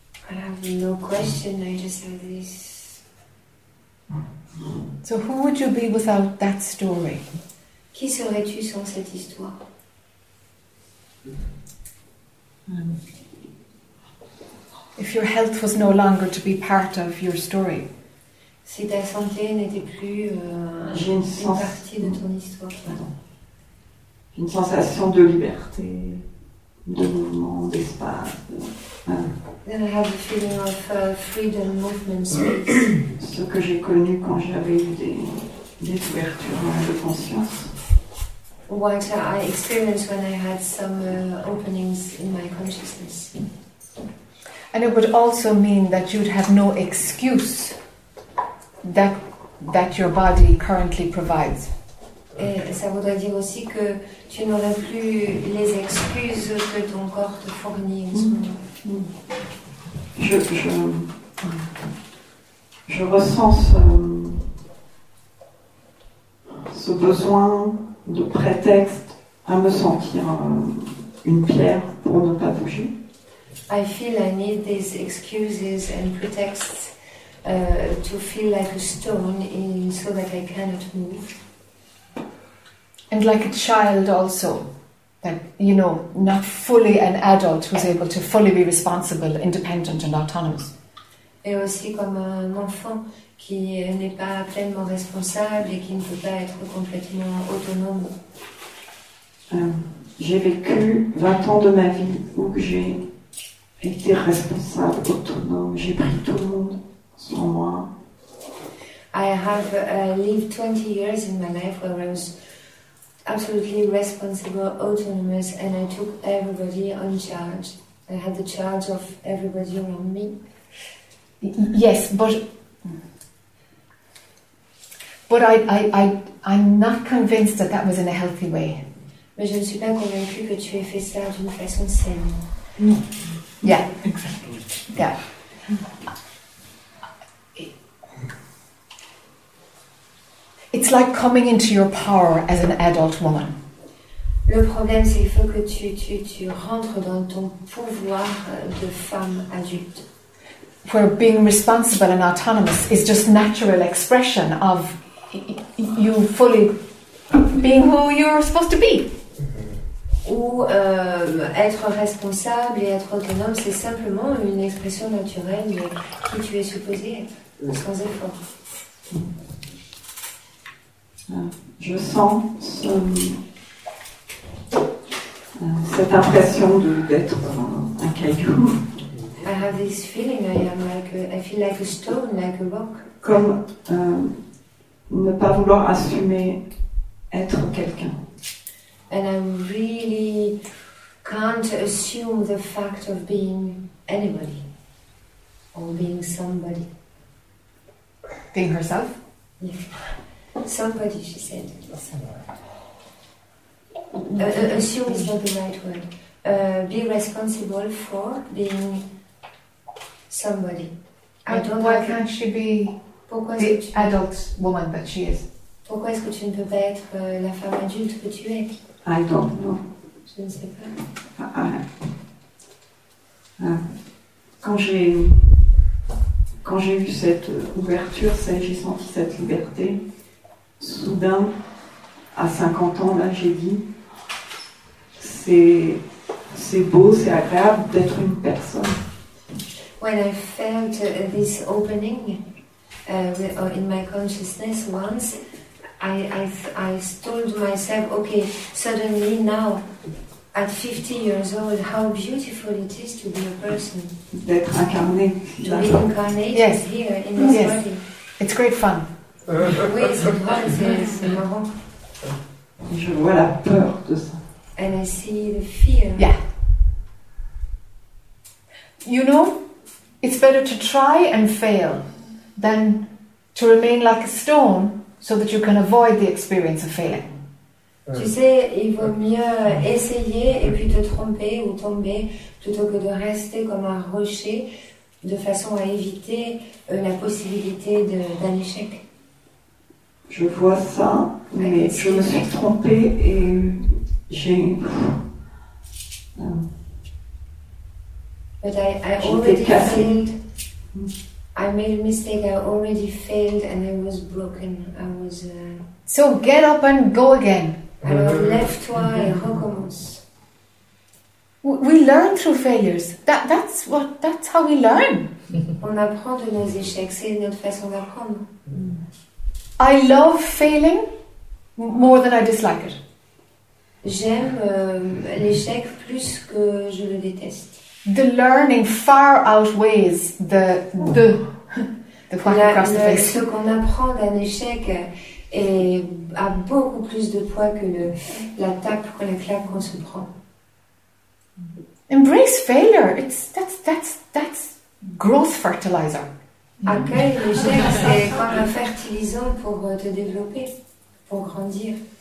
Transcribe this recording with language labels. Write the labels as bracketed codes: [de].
[en] I have no question, I just have this. So who would you be without that story? [fr] Qui serais-tu sans cette histoire? [en] If your health was no longer to be part of your story. [fr] Si ta santé n'était plus une partie de ton histoire. J'ai une sensation de liberté, de mouvement, d'espace. [en] Then I have a feeling of freedom, movement, space. [fr] Ce que j'ai connu quand j'avais eu des ouvertures de conscience. [en] What I experienced when I had some openings in my consciousness. And it would also mean that you'd have no excuse that your body currently provides. [fr] Et ça voudrait dire aussi que tu n'aurais plus les excuses que ton corps te fournit en ce moment. Je ressens ce besoin de prétexte à me sentir une pierre pour ne pas bouger. [en] I feel I need these excuses and pretexts to feel like a stone so that I cannot move. And like a child also. That, you know, not fully an adult who's able to fully be responsible, independent and autonomous. [fr] Et aussi comme un enfant qui n'est pas pleinement responsable et qui ne peut pas être complètement autonome. J'ai vécu 20 ans de ma vie où j'ai été responsable, autonome, j'ai pris tout le monde sur moi. [en] I have lived 20 years in my life where I was absolutely responsible, autonomous, and I took everybody on charge. I had the charge of everybody around me. Yes, but I'm not convinced that was in a healthy way. [fr] Mais je ne suis pas convaincue que tu aies fait ça d'une façon saine. [en] Yeah, exactly. Yeah. It's like coming into your power as an adult woman. [fr] Le problème, c'est qu'il faut que tu rentres dans ton pouvoir de femme adulte. [en] Where being responsible and autonomous is just natural expression of you fully being who you're supposed to be. [fr] Ou être responsable et être autonome, c'est simplement une expression naturelle de qui tu es supposé être, sans effort. Je sens cette impression d'être un caillou. [en] I have this feeling I am like a, I feel like a stone, like a rock. [fr] Comme ne pas vouloir assumer être quelqu'un. [en] And I really can't assume the fact of being anybody or being somebody. Being herself? Yeah. Somebody, she said. Assume is not the right word. Be responsible for being somebody. I don't why can't she be the adult woman that she is? [fr] Pourquoi est-ce que tu ne peux pas être la femme adulte que tu es? [en] I don't know. [fr] Je ne sais pas. Quand j'ai eu cette ouverture, j'ai senti cette liberté. Soudain, à 50 ans, là, j'ai dit, c'est beau, c'est agréable d'être une personne. [en] When I felt this opening in my consciousness once, I told myself, okay, suddenly now, at 50 years old, how beautiful it is to be a person. [fr] D'être incarné. [en] To be incarnated, yes. Here in this, yes, body. It's great fun. [fr] Oui, c'est drôle, c'est marrant. Je vois la peur de ça. [en] And I see the fear. Yeah. You know, it's better to try and fail than to remain like a stone so that you can avoid the experience of failing. [fr] Tu sais, il vaut mieux essayer et puis te tromper ou tomber plutôt que de rester comme un rocher de façon à éviter la possibilité d'un échec. Je vois ça, mais je me suis trompée et j'ai... [en] But I already failed. I made a mistake. I already failed, and I was broken. I was. So get up and go again. [fr] Alors lève-toi et recommence. [en] We learn through failures. That's how we learn. [fr] On apprend de nos échecs. C'est notre façon d'apprendre. [en] I love failing more than I dislike it. [fr] J'aime l'échec plus que je le déteste. [en] The learning far outweighs the point across the face. [fr] Ce qu'on apprend d'un échec a beaucoup plus de poids que la tape ou la claque qu'on se prend. [en] Embrace failure. That's growth fertilizer. [fr] Accueille l'échec, c'est comme un fertilisant pour te développer, pour grandir.